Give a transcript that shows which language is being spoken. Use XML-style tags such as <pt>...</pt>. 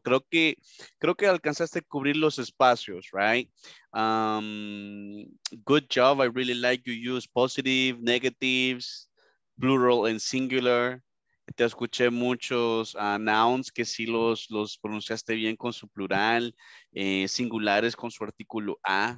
<es>Creo que alcanzaste a cubrir los espacios, right?</es> <en>Good job. I really like you use positive, negatives, plural and singular.</en> <es>Te escuché muchos nouns que sí los pronunciaste bien con su plural, singulares con su artículo a.</es>